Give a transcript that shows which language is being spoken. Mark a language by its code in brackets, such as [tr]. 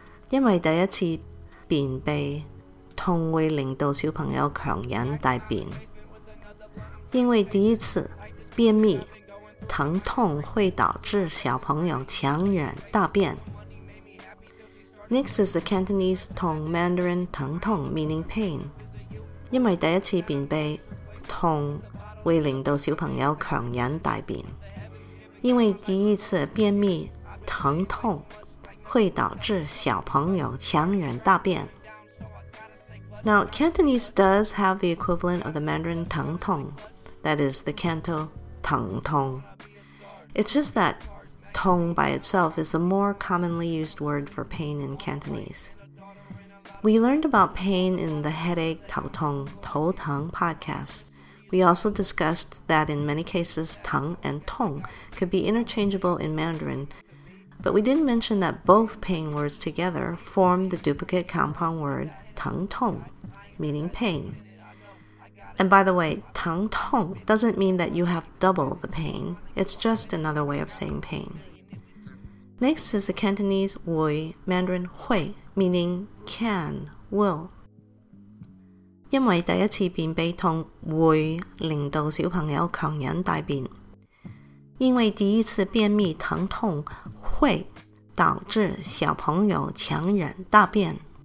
[zh] 因为第一次便秘痛会令到小朋友强忍大便。因为第一次便秘疼痛会导致小朋友强忍大便。 [en] Next is the Cantonese 痛 Mandarin 疼痛 meaning pain. [zh] 因为第一次便秘痛会令到小朋友强忍大便，因为第一次便秘疼痛会导致小朋友强忍大便。 [en] Now Cantonese does have the equivalent of the Mandarin 疼痛, that is the canto 疼痛. It's just that 痛 by itself is a more commonly used word for pain in Cantonese. We learned about pain in the headache 头痛头疼 podcast. We also discussed that in many cases, 疼 and 痛 could be interchangeable in Mandarin, but we didn't mention that both pain words together form the duplicate compound word 疼痛, meaning pain. And by the way, 疼痛 doesn't mean that you have double the pain, it's just another way of saying pain. Next is the Cantonese 会, Mandarin 会, meaning can, will. [zh] 因为第一次便秘痛会令到小朋友强忍大便。因为第一次便秘疼痛会导致小朋友强忍大便。